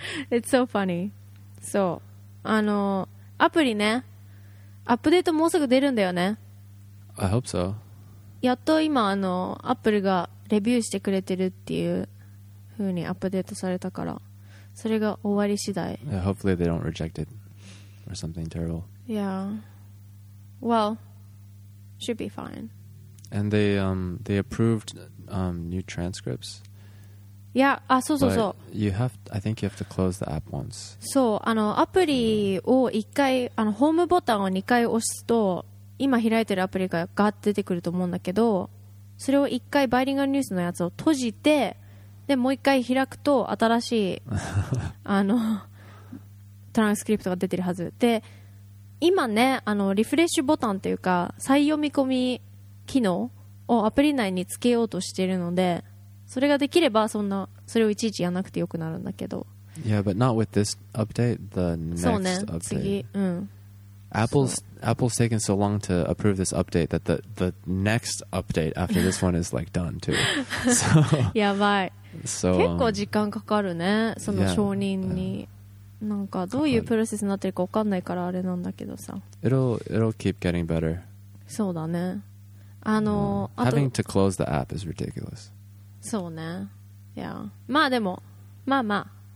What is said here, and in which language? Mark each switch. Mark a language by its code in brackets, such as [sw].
[en] It's so funny. [ja] So, アプリね、アップデートもうすぐ出るんだよね。 [en] I hope so. [ja] やっと今アップルがレビューしてくれてるっていう風にアップデートされたから、それが終わり次第。 [en] Yeah, hopefully they don't reject it or something terrible. Yeah. Well, should be fine. And they approved new transcripts. [ja] Yeah, そうそうそう. [en] I think you have to close the app once. [ja] そう、アプリを一回、ホームボタンを二回押すと、今開いてるアプリがガッて出てくると思うんだけど、それを一回バイリンガルニュースのやつを閉じて、で、もう一回開くと、新しい、トランスクリプトが出てるはず。で、今ね、リフレッシュボタンというか再読み込み機能をアプリ内につけようとしているので、それができればそんなそれをいちいちやらなくてよくなるんだけど。 [en] Yeah, but not with this update, the next update. [ja] そうね、次、 [en] Apple's taken so long to approve this update that the next update after this one is like done too. [ja] やばい。 [en] So, [ja] 結構時間かかるね、その承認に。 [en] yeah, yeah. [ja] なんかどういうプロセスになってるか分かんないからあれなんだけどさ。 [en] It'll keep getting better. [ja] そうだね。 [en] Having to close the app is ridiculous. [ja] そうね。いや。まあでも、まあまあ。